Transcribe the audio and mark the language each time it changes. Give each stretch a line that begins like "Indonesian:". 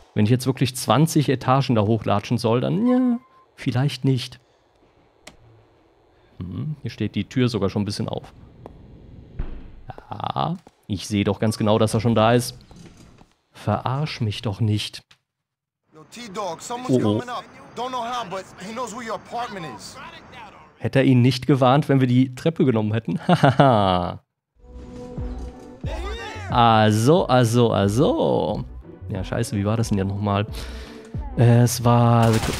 German: Wenn ich jetzt wirklich 20 Etagen da hochlatschen soll, dann ja, vielleicht nicht. Hier steht die Tür sogar schon ein bisschen auf. Ja, ich sehe doch ganz genau, dass er schon da ist. Verarsch mich doch nicht.
English: Yo, T-Dog, someone's coming up. Don't know how, but he knows where your apartment is.
German: Hätte er ihn nicht gewarnt, wenn wir die Treppe genommen hätten? Hahaha. Also. Ja, scheiße, wie war das denn ja nochmal? Es war...